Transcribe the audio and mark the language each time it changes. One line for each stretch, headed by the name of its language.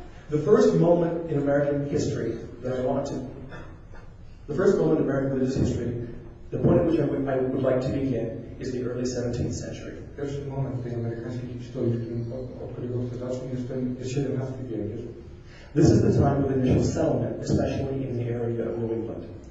English: The first moment in American history that I want to, the first moment in American religious history, the point at which I would like to begin is the early 17th century.
Polish: Pierwszy moment w tej amerykańskiej historii, od którego chcę zacząć, jest ten XVII wiek.
English: This is the time of initial settlement, especially in the area of New England.